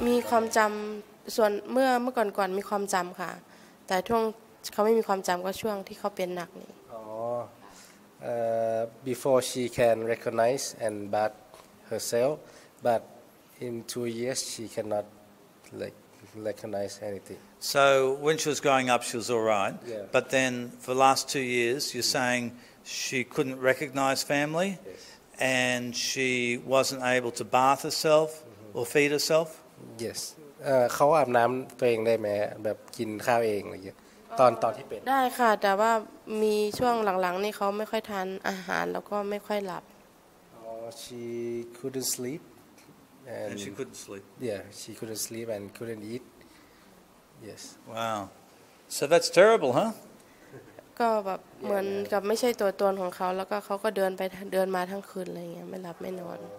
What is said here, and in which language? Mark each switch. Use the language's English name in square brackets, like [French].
[Thai] ความจำส่วนเมื่อก่อนมีความจำค่ะแต่ช่วงเขาไม่มีความจำก็ช่วงที่เขาเป็นหนักนี่ [English] before she can recognize and but herself but in 2 years she cannot recognize anything so when she was growing up she was all right yeah. but then for the last 2 years you're saying she couldn't recognize family yes. and she wasn't able to bathe herself mm-hmm. or feed herself yes [Thai] เขาอาบน้ำตัวเองได้ไหมแบบกินข้าวเองอะไรอย่างเงี้ยตอนที่เป็น ได้ค่ะแต่ว่ามีช่วงหลังๆนี่เขาไม่ค่อยทานอาหารแล้วก็ไม่ค่อยหลับ [English] she couldn't sleep and she couldn't sleep yeah she couldn't sleep and couldn't eat yes wow so that's terrible huh [Thai] ก็แบบเหมือนกับไม่ใช่ตัวตนของเขาแล้วก็เขาก็เดินไปเดินมาทั้งคืนอะไรเงี้ยไม่หลับไม่นอน